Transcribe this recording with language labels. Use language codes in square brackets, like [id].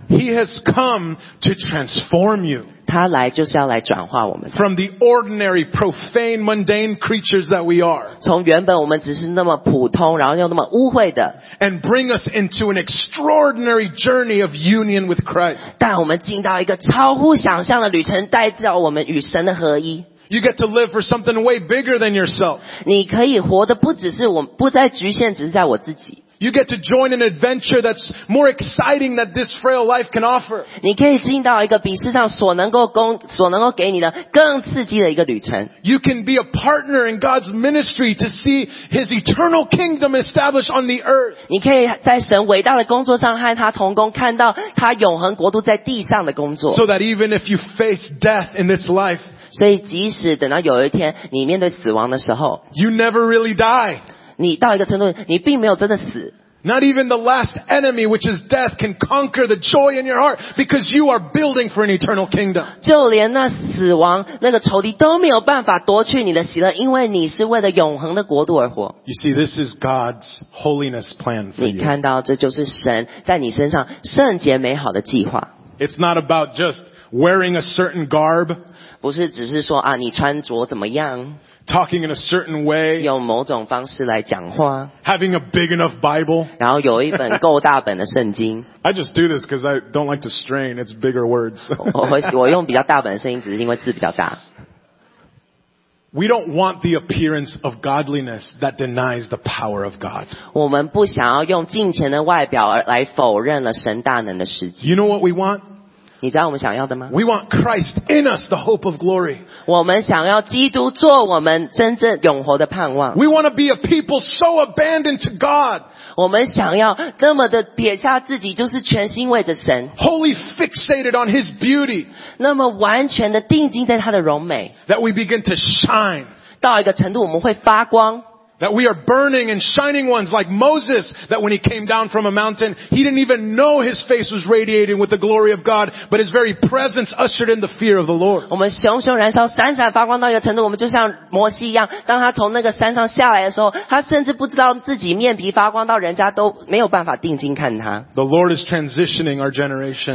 [en] He has come to transform you. [zh] 他来就是要来转化我们。 [en] From the ordinary, profane, mundane creatures that we are. [zh] 从原本我们只是那么普通，然后又那么污秽的。 [en] And bring us into an extraordinary journey of union with Christ. [zh] 带我们进到一个超乎想象的旅程，带到我们与神的合一。 [en] You get to live for something way bigger than yourself. [zh] 你可以活得不只是我，不再局限，只是在我自己。 [en] You get to join an adventure that's more exciting than this frail life can offer. [zh] 你可以进到一个比世上所能够给你的更刺激的一个旅程。 [en] You can be a partner in God's ministry to see His eternal kingdom established on the earth. [zh] 你可以在神伟大的工作上和他同工，看到他永恒国度在地上的工作。 [en] So that even if you face death in this life. [zh] 所以即使等到有一天你面对死亡的时候 [en] You never really die. [zh] 你到一个程度你并没有真的死。 [en] Not even the last enemy, which is death, can conquer the joy in your heart because you are building for an eternal kingdom. [zh] 就连那死亡那个仇敌都没有办法夺去你的喜乐，因为你是为了永恒的国度而活。 [en] You see, this is God's holiness plan for you. [zh] 你看到这就是神在你身上圣洁美好的计划。 [en] It's not about just wearing a certain garb. [zh] 不是只是说啊，你穿着怎么样 [en] ？Talking in a certain way， [zh] 用某种方式来讲话 [en] ；Having a big enough Bible， [zh] 然后有一本够大本的圣经。 [en] I just do this because I don't like to strain; it's bigger words. [zh] 我用比较大本的声音，只是因为字比较大。 [en] We don't want the appearance of godliness that denies the power of God. [zh] 我们不想要用金钱的外表来否认了神大能的实际。 [en] You know what we want? [zh] 你知道我们想要的吗 [en] ？We want Christ in us, the hope of glory. [zh] 我们想要基督做我们真正永活的盼望。 [en] We want to be a people so abandoned to God. [zh] 我们想要那么的撇下自己，就是全心为着神。 [en] Wholly fixated on His beauty. [zh] 那么完全的定睛在他的荣美。 [en] That we begin to shine. [zh] 到一个程度，我们会发光。 [en] That we are burning and shining ones like Moses, that when he came down from a mountain, he didn't even know his face was radiating with the glory of God, but his very presence ushered in the fear of the Lord. [zh] 我们熊熊燃烧，闪闪发光到一个程度，我们就像摩西一样，当他从那个山上下来的时候，他甚至不知道自己面皮发光到人家都没有办法定睛看他。 [en] The Lord is transitioning our generation.